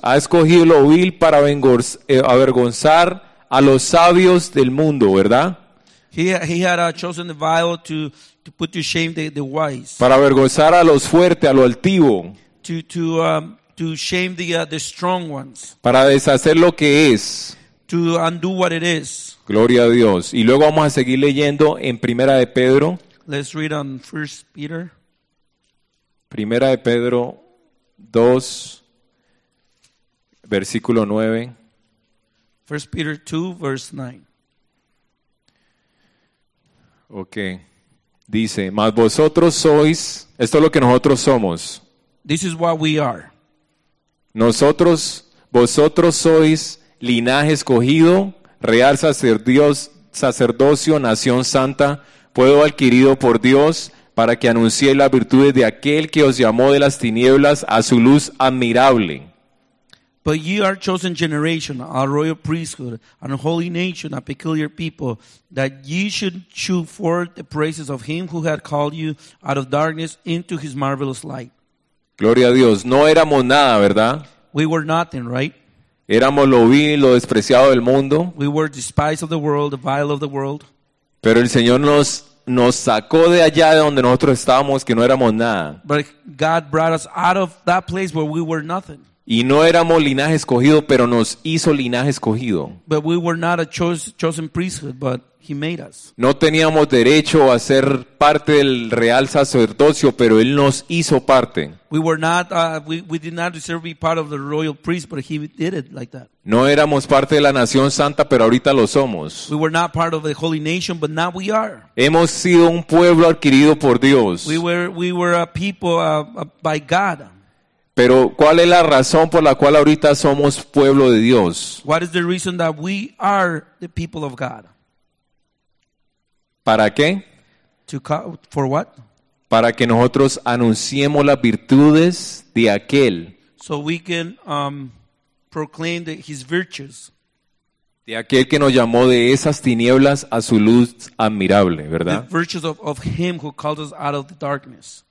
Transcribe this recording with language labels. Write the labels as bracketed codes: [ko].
[es] Ha escogido lo vil para avergonzar a los sabios del mundo, ¿verdad? [en] He had chosen the vile to put to shame the wise. [es] Para avergonzar a los fuertes, a lo altivo. [en] To shame the strong ones. [es] Para deshacer lo que es. [en] To undo what it is. [es] Gloria a Dios. Y luego vamos a seguir leyendo en Primera de Pedro. [en] Let's read on First Peter. [es] Primera de Pedro 2, versículo 9. [en] First Peter 2, verse 9. Okay. [es] Dice, mas vosotros sois, esto es lo que nosotros somos. [en] This is what we are. [es] Vosotros sois linaje escogido, real sacerdocio, nación santa, pueblo adquirido por Dios, para que anunciéis las virtudes de aquel que os llamó de las tinieblas a su luz admirable. [en] But ye are chosen generation, a royal priesthood, and a holy nation, a peculiar people, that ye should shew forth the praises of him who had called you out of darkness into his marvelous light. [es] Gloria a Dios. No éramos nada, ¿verdad? [en] We were nothing, right? [es] Éramos lo vil, lo despreciado del mundo. [en] We were despised of the world, the vile of the world. [es] Pero el Señor nos sacó de allá de donde nosotros estábamos, que no éramos nada. [en] But God brought us out of that place where we were nothing. [es] Y no éramos linaje escogido, pero nos hizo linaje escogido. [en] But we were not a chosen priesthood, but he made us. [es] No teníamos derecho a ser parte del real sacerdocio, pero él nos hizo parte. [en] We were not we did not deserve to be part of the royal priest, but he did it like that. [es] No éramos parte de la nación santa, pero ahorita lo somos. [en] We were not part of the holy nation, but now we are. [es] Hemos sido un pueblo adquirido por Dios. [en] We were a people by God. [es] Pero ¿cuál es la razón por la cual ahorita somos pueblo de Dios? [en] What is the reason that we are the people of God? [es] ¿Para qué? [en] For what? [es] Para que nosotros anunciemos las virtudes de aquel. [en] So we can proclaim his virtues. [es] De aquel que nos llamó de esas tinieblas a su luz admirable, ¿verdad? [en] The virtues of him who called us out of the darkness.